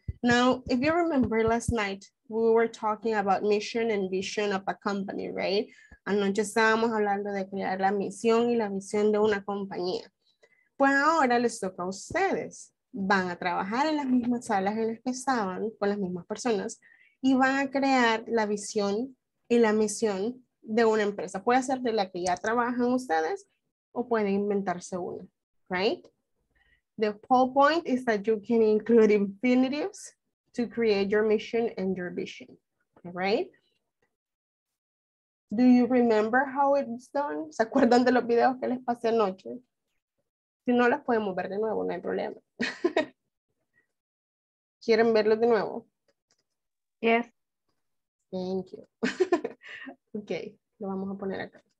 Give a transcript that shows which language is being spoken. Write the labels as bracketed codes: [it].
[en] Now, if you remember last night, we were talking about mission and vision of a company, right? [es] Anoche estábamos hablando de crear la misión y la visión de una compañía. Pues ahora les toca a ustedes. Van a trabajar en las mismas salas en las que estaban, con las mismas personas, y van a crear la visión y la misión de una empresa. Puede ser de la que ya trabajan ustedes o pueden inventarse una, right? [en] The whole point is that you can include infinitives to create your mission and your vision, right? Do you remember how it's done? [es] ¿Se acuerdan de los videos que les pasé anoche? Si no, las podemos ver de nuevo, no hay problema. ¿Quieren verlo de nuevo? [en] Yes. Thank you. [es] Okay, lo vamos a poner acá.